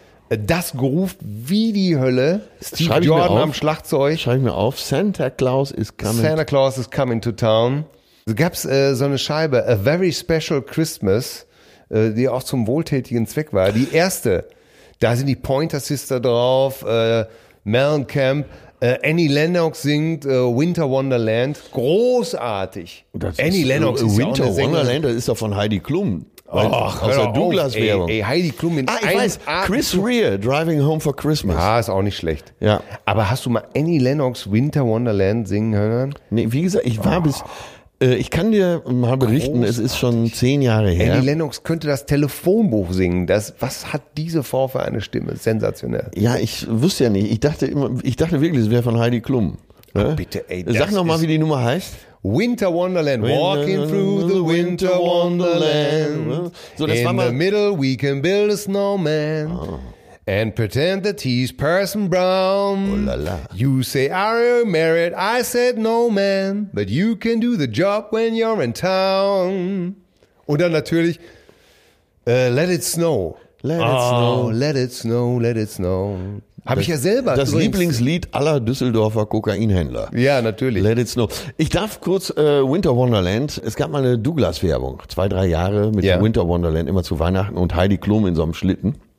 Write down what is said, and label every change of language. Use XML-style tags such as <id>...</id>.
<de>Das geruft wie die Hölle. Steve Schreib Jordan am Schlagzeug. Schreib ich mir auf.</de> <en>Santa Claus is coming to town.</en> <de>Es gab so eine Scheibe, A Very Special Christmas, die auch zum wohltätigen Zweck war. Die erste, da sind die Pointer Sister drauf, Mellencamp, Annie Lennox singt Winter Wonderland. Großartig. Das Annie Lennox ist ja auch eine Winter Wonderland, das ist doch von Heidi Klum. Douglas-Werbung. Ey, Heidi Klum in Chris Rea, Driving Home for Christmas. Ja, ist auch nicht schlecht. Ja. Aber hast du mal Annie Lennox Winter Wonderland singen hören? Nee, wie gesagt, ich war ich kann dir mal berichten, großartig. Es ist schon 10 Jahre her. Annie Lennox könnte das Telefonbuch singen. Was hat diese Frau für eine Stimme? Sensationell. Ja, ich wusste ja nicht. Ich dachte wirklich, es wäre von Heidi Klum. Oh, bitte, ey. Sag nochmal, wie die Nummer heißt.</de> <en>Winter Wonderland, walking through the winter wonderland.</en> <de>So, das</de> <en>in the middle we can build a snowman. Oh. And pretend that he's Parson Brown. Oh, la, la. You say, are you married? I said, no, man. But you can do the job when you're in town.</en> <de>Und dann natürlich,</de> <en>let it snow. Let it snow.</en> <de>Habe ich ja selber. Das Lieblingslied aller Düsseldorfer Kokainhändler. Ja, natürlich.</de> <en>Let it snow.</en> <de>Ich darf kurz Winter Wonderland. Es gab mal eine Douglas-Werbung. 2-3 Jahre mit dem Winter Wonderland immer zu Weihnachten und Heidi Klum in so einem Schlitten.</de>